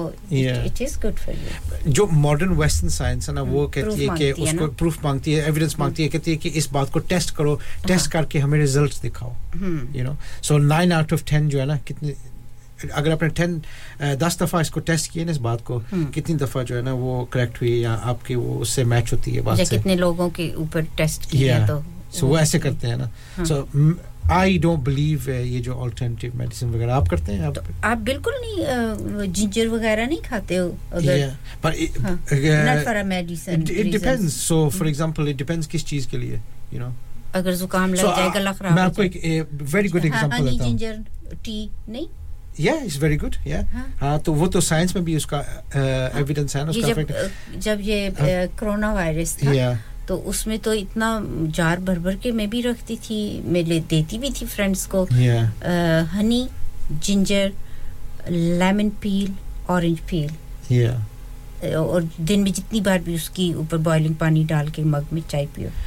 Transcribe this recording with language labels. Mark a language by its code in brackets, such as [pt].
[hi] जो modern western science है ना वो कहती है कि उसको प्रूफ मांगती है एविडेंस मांगती है कहती है कि इस बात को टेस्ट करो टेस्ट करके हमें रिजल्ट्स दिखाओ you know so 9 out of 10 जो है ना कितने अगर आपने 10 10 दफा इसको टेस्ट किए ना इस बात को कितनी दफा जो है ना वो करेक्ट हुई या आपकी वो उससे मैच होती है बात कितने लोगों के ऊपर टेस्ट किया तो सो वो ऐसे करते हैं ना सो [en] I don't believe [hi] ये जो alternative medicine वगैरह आप करते हैं आप बिल्कुल नहीं ginger वगैरह नहीं खाते हो [en] yeah but not for a medicine it depends so for example it depends [hi] किस चीज के लिए [en] you know [hi] अगर जुकाम लग जाए गला खराब मैं आपको एक [en] very good example [hi] देता हूँ ginger tea नहीं [en] Yeah, it's very good. Yeah. [hi] हाँ तो वो तो science में भी उसका evidence है ना उसका effect जब ये coronavirus था तो उसमें तो इतना जार भर भर के मैं भी रखती थी मैं ले देती भी थी फ्रेंड्स को हनी जिंजर लेमन पील ऑरेंज पील और दिन में जितनी बार भी उसकी ऊपर बॉइलिंग पानी डाल के मग में चाय पियो